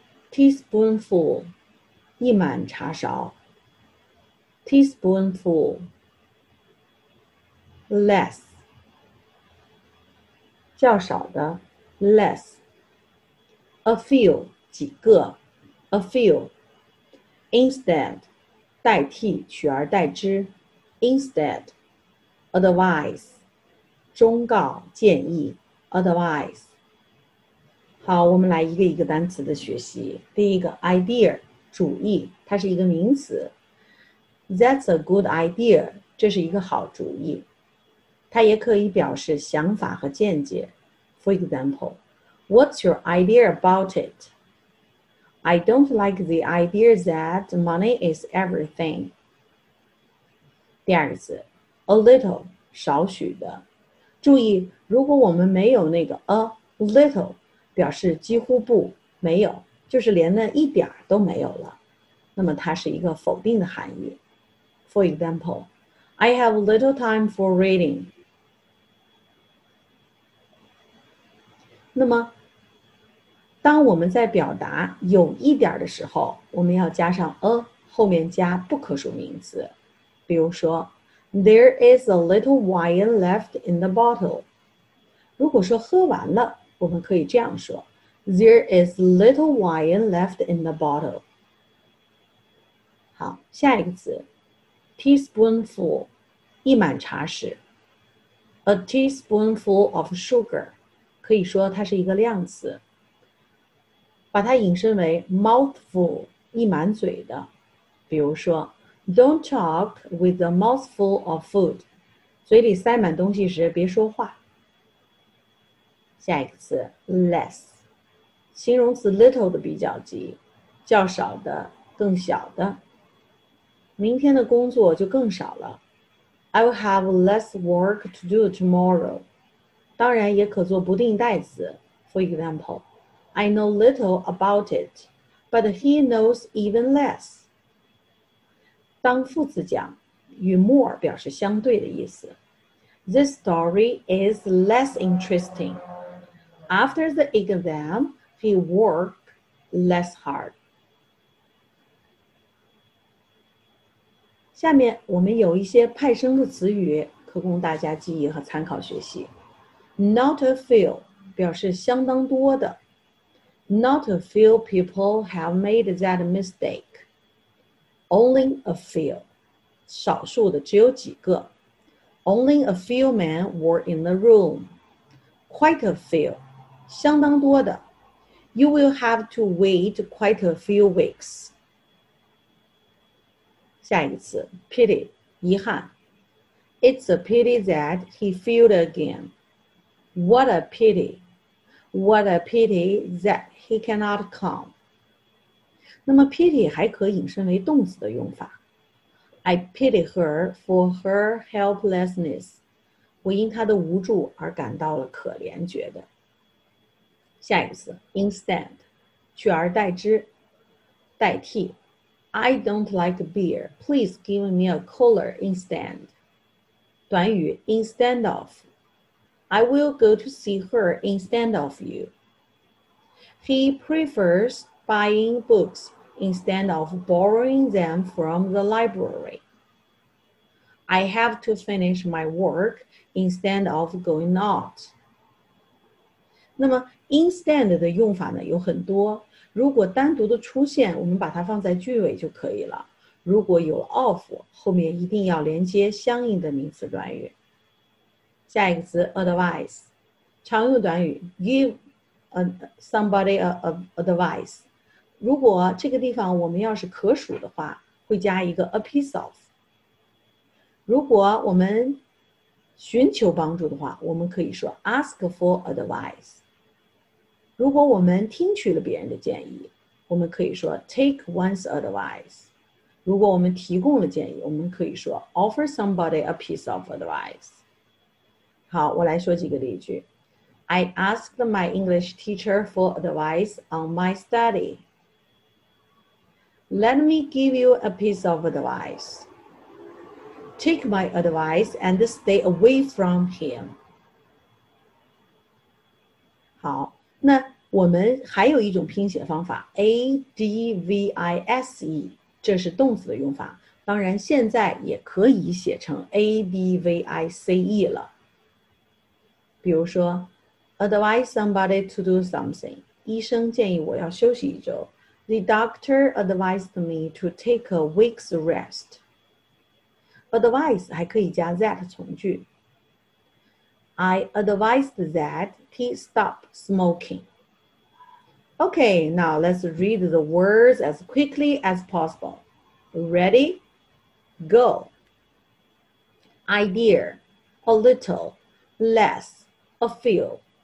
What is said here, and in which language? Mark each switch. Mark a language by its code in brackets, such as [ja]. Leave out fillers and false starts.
[en] Teaspoonful, [zh] 一满茶勺, [en] teaspoonful. Less, [zh] 较少的, [en] less. A few, [zh] 几个, [en] a few. Instead, [zh] 代替,取而代之, [en] instead. Advice, [zh] 忠告,建议, [en] Advice. [zh] 好，我们来一个一个单词的学习。第一个 idea, 主意，它是一个名词。 [en] That's a good idea, [zh] 这是一个好主意。它也可以表示想法和见解。 [en] For example, What's your idea about it? I don't like the idea that money is everything. [zh] 第二个词 a little, 少许的。注意，如果我们没有那个 a little, 表示几乎不，没有，就是连那一点都没有了，那么它是一个否定的含义。 [en] For example, I have little time for reading. [zh] 那么，当我们在表达有一点的时候，我们要加上 a, 后面加不可数名词，比如说 [en] There is a little wine left in the bottle. [zh] 如果说喝完了，我们可以这样说 [en] There is little wine left in the bottle. [zh] 好，下一个词 Teaspoonful, 一满茶匙 [en] A teaspoonful of sugar, [zh] 可以说它是一个量词。把它引申为 mouthful, 一满嘴的。比如说 [en] Don't talk with a mouthful of food. [zh] 嘴里塞满东西时别说话。下一个词 less. 形容词 little 的比较级。较少的更小的。明天的工作就更少了。 [en] I'll have less work to do tomorrow. [zh] 当然也可做不定代词。 [en] For example, I know little about it, but he knows even less. [zh] 当副词讲，与 more 表示相对的意思。 [en] This story is less interesting. After the exam, he worked less hard. [zh] 下面我们有一些派生的词语，可供大家记忆和参考学习。 [en] Not a few [zh] 表示相当多的。 [en] Not a few people have made that mistake. [zh] Only a few, 少数的只有几个。 [en] Only a few men were in the room. Quite a few, [zh] 相当多的。 [en] You will have to wait quite a few weeks. [zh] 下一次 pity, 遗憾。 [en] It's a pity that he failed again. What a pity. What a pity that he cannot come. [zh] 那么 pity 还可引申为动词的用法。 [en] I pity her for her helplessness. [zh] 我因她的无助而感到了可怜觉得。下一个词 instead, 取而代之代替。 [en] I don't like beer, please give me a cooler instead. 短语 instead of. I will go to see her instead of you. He prefers buying books. Instead of borrowing them from the library. I have to finish my work instead of going out. [zh] 那么 instead 的用法呢有很多，如果单独的出现，我们把它放在句尾就可以了。如果有 of, 后面一定要连接相应的名词短语。下一个词 advice, 常用短语 [en] give somebody advice. [zh] 如果这个地方我们要是可数的话，会加一个 a piece of。如果我们寻求帮助的话，我们可以说 [en] ask for advice。 [zh] 如果我们听取了别人的建议，我们可以说 [en] take one's advice。 [zh] 如果我们提供了建议，我们可以说 [en] offer somebody a piece of advice。 [zh] 好，我来说几个例句。 [en] I asked my English teacher for advice on my study. Let me give you a piece of advice. Take my advice and stay away from him. [zh] 好，那我们还有一种拼写方法 ,advise, 这是动词的用法。当然现在也可以写成 advice 了。比如说 [en] Advise somebody to do something. [zh] 医生建议我要休息一周。 [en] The doctor advised me to take a week's rest. [zh] Advise 还可以加 that 从句。 [en] I advised that he stop smoking. Okay, now let's read the words as quickly as possible. Ready? Go. Idea. A little. Less. A few.